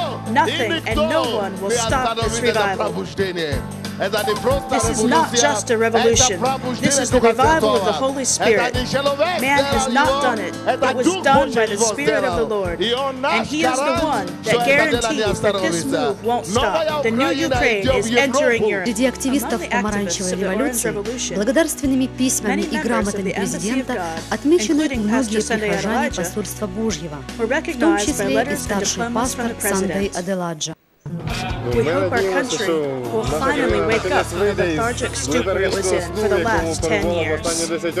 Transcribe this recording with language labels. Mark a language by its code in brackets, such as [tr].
[en] Nothing and no one will stop this revival. This is not just a revolution. This is the revival of the Holy Spirit. Man has not done it, but was done by the Spirit of the Lord. And he is the one that guarantees guarantee you that this move won't stop. The new Ukraine is entering Europe. [ru] Среди активистов помаранчевой революции благодарственными письмами и грамотами президента отмечены многие прихожане посольства Божьего, в том числе и старший пастор Сандей Аделаджа. [en] We hope our country will finally wake up from the lethargic stupor it was in for the last 10 years.